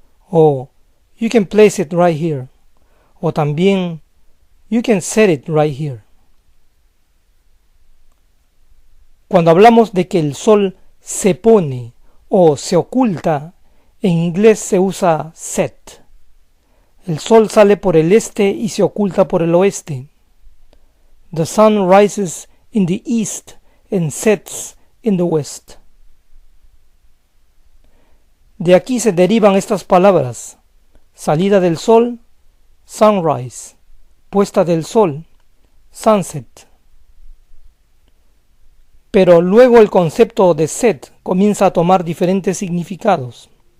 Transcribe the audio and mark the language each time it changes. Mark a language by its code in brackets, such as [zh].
[en] O you can place it right here. [es] O también [en] you can set it right here. [es] Cuando hablamos de que el sol se pone o se oculta, en inglés se usa set. El sol sale por el este y se oculta por el oeste. [en] The sun rises in the east and sets in the west. [es] De aquí se derivan estas palabras: salida del sol, sunrise; puesta del sol, sunset. Pero luego el concepto de set comienza a tomar diferentes significados.